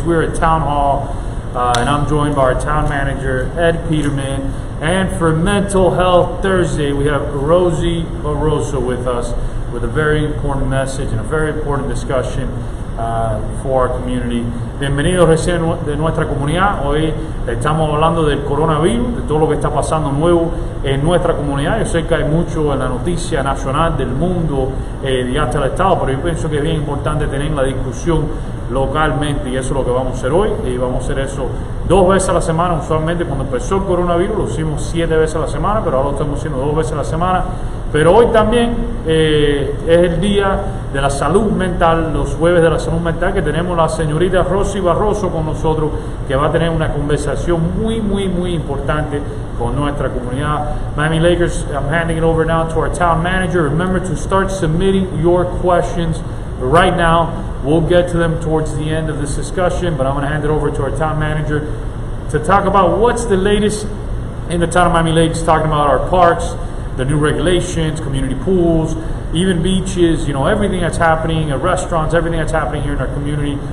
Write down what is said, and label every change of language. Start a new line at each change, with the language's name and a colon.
English: We're at Town Hall, and I'm joined by our town manager, Ed Peterman. And for Mental Health Thursday, we have Rosie Barroso with us with a very important message and a very important discussion for our community.
Spanish: Bienvenidos recién de nuestra comunidad. Hoy estamos hablando del coronavirus, de todo lo que está pasando nuevo en nuestra comunidad. Yo sé que hay mucho en la noticia nacional del mundo y hasta el Estado, pero yo pienso que es bien importante tener la discusión localmente, y eso es lo que vamos a hacer hoy. Y vamos a hacer eso dos veces a la semana. Usualmente cuando empezó el coronavirus lo hicimos 7 veces a la semana, pero ahora lo estamos haciendo 2 veces a la semana. Pero hoy también es el día de la salud mental, los jueves de la salud mental, que tenemos la señorita Rosie Barroso con nosotros, que va a tener una conversación muy, muy, muy importante con nuestra comunidad.
English: Miami Lakers, I'm handing it over now to our town manager. Remember to start submitting your questions right now. We'll get to them towards the end of this discussion, but I'm going to hand it over to our town manager to talk about what's the latest in the town of Miami Lakes, talking about our parks, the new regulations, community pools, even beaches, you know, everything that's happening at restaurants, everything that's happening here in our community.